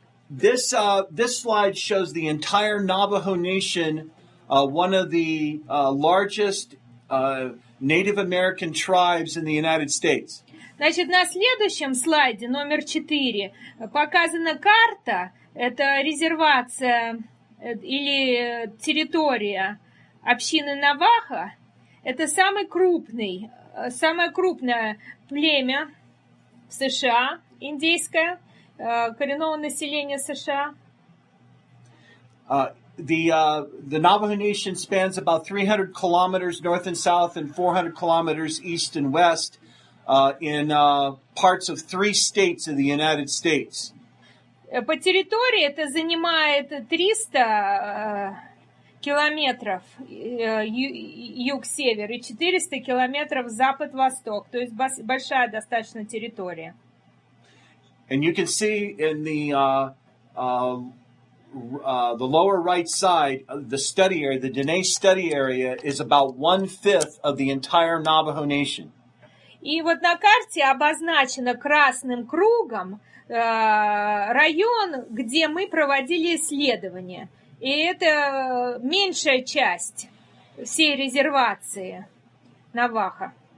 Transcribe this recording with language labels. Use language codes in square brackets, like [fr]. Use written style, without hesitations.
[en] This slide shows the entire Navajo Nation, one of the largest Native American tribes in the United States. [ru] Значит, на следующем слайде, номер 4, показана карта, это резервация или территория общины Навахо. Это самое крупное племя в США, индейское, коренного населения США. [en] The Navajo Nation spans about 300 kilometers north and south and 400 kilometers east and west parts of three states of the United States. [ru] По территории это занимает 300 километров юг-север и 400 километров запад-восток, то есть большая достаточно территория. [en] And you can see in the lower right side, the study area, the Diné study area, is about 1/5 of the entire Navajo Nation. [ru] И вот на карте обозначено красным кругом район, где мы проводили исследование. И это меньшая часть всей резервации Наваха.